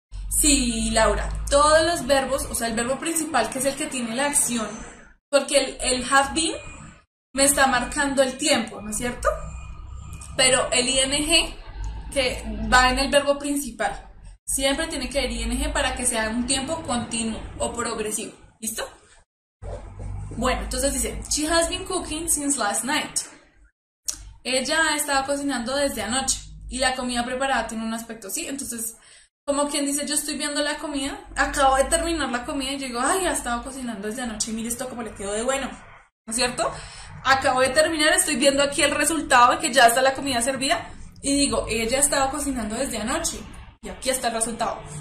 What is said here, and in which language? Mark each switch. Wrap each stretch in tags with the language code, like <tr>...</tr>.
<es>Sí, Laura, todos los verbos, o sea, el verbo principal que es el que tiene la acción, porque el have been me está marcando el tiempo, ¿no es cierto? Pero el ing que va en el verbo principal, siempre tiene que haber ing para que sea un tiempo continuo o progresivo, ¿listo? Bueno, entonces dice,</es> <en>she has been cooking since last night.</en> <es>Ella ha estado cocinando desde anoche y la comida preparada tiene un aspecto así. Entonces, como quien dice, yo estoy viendo la comida, acabo de terminar la comida y yo digo, ay, ha estado cocinando desde anoche y mire esto cómo le quedó de bueno, ¿no es cierto? Acabo de terminar, estoy viendo aquí el resultado, que ya está la comida servida y digo, ella ha estado cocinando desde anoche y aquí está el resultado.</es>